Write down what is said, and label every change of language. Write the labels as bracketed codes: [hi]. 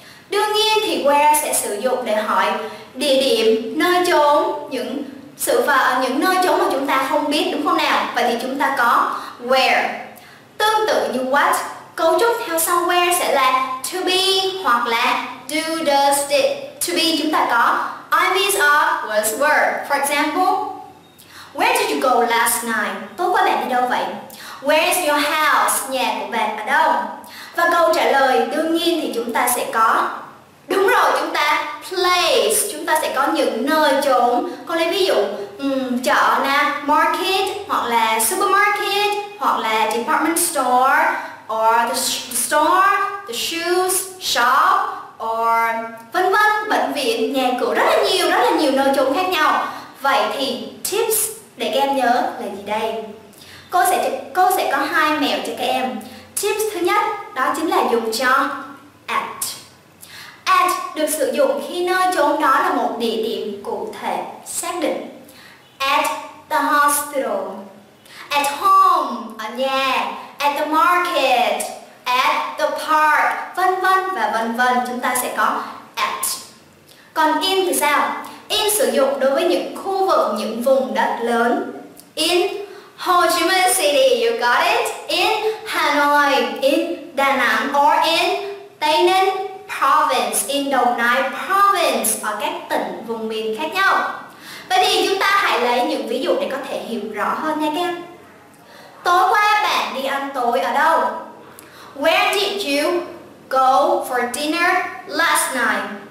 [vi] Đương nhiên thì where sẽ sử dụng để hỏi địa điểm, nơi chốn, những sự vật ở những nơi chốn mà chúng ta không biết đúng không nào? Vậy thì chúng ta có where. Tương tự như what, cấu trúc theo sau where sẽ là to be hoặc là do, does, did. To be chúng ta có I, miss, are, was, were. [en] For example, where did you go last night? [vi] Tối qua bạn đi đâu vậy? [en] Where is your house? [vi] Nhà của bạn ở đâu? Và câu trả lời đương nhiên thì chúng ta sẽ có đúng rồi, chúng ta place, chúng ta sẽ có những nơi chốn. Cô lấy ví dụ chợ nè, market hoặc là supermarket hoặc là department store or [en] the store, the shoes shop [vi] or vân vân, bệnh viện, nhà cửa, rất là nhiều nơi chốn khác nhau. Vậy thì tips để các em nhớ là gì đây? Cô sẽ có hai mẹo cho các em. Tips thứ nhất đó chính là dùng cho at. At được sử dụng khi nơi chốn đó là một địa điểm cụ thể xác định. [en] At the hospital, at home, [vi] ở nhà, [en] at the market, at the park, [vi] vân vân và vân vân, chúng ta sẽ có at. Còn in thì sao? In sử dụng đối với những khu vực, những vùng đất lớn. [en] In Ho Chi Minh City, you got it? In Hà Nội, in Đà Nẵng, or in Tây Ninh Province, in Đồng Nai Province, [vi] ở các tỉnh vùng miền khác nhau. Vậy thì chúng ta hãy lấy những ví dụ để có thể hiểu rõ hơn nha các em. Tối qua bạn đi ăn tối ở đâu? [en] Where did you go for dinner last night?